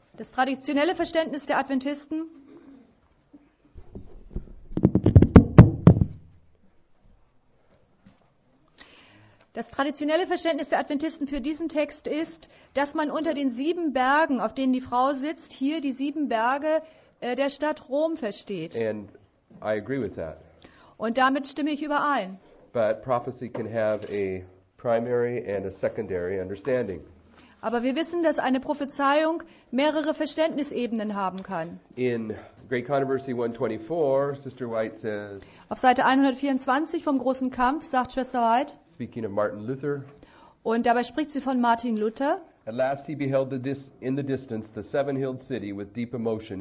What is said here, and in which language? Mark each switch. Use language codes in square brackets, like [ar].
[de] Das traditionelle Verständnis der Adventisten Das traditionelle Verständnis der Adventisten für diesen Text ist, dass man unter den sieben Bergen, auf denen die Frau sitzt, hier die sieben Berge der Stadt Rom versteht. [en] And I agree with that. [de] Und damit stimme ich überein. [en] But prophecy can have a primary and a secondary understanding. [de] Aber wir wissen, dass eine Prophezeiung mehrere Verständnisebenen haben kann. [en] In Great Controversy 124, Sister White says, [de] auf Seite 124 vom Großen Kampf sagt Schwester White, [en] speaking of Martin Luther, [de] und dabei spricht sie von Martin Luther, [en] at last he beheld in the distance the seven-hilled city with deep emotion.